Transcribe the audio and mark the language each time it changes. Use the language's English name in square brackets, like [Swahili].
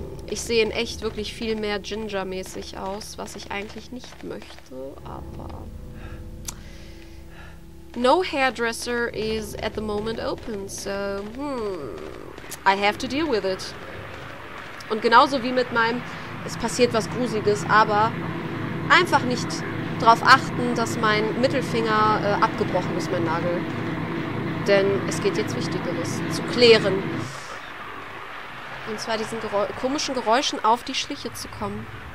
[German] Ich sehe in echt wirklich viel mehr Ginger-mäßig aus, was ich eigentlich nicht möchte, aber... [English] No hairdresser is at the moment open, so I have to deal with it. [German] Und genauso wie mit meinem, es passiert was Gruseliges, aber einfach nicht darauf achten, dass mein Mittelfinger abgebrochen ist, mein Nagel. Denn es geht jetzt Wichtigeres zu klären. Und zwar diesen komischen Geräuschen auf die Schliche zu kommen.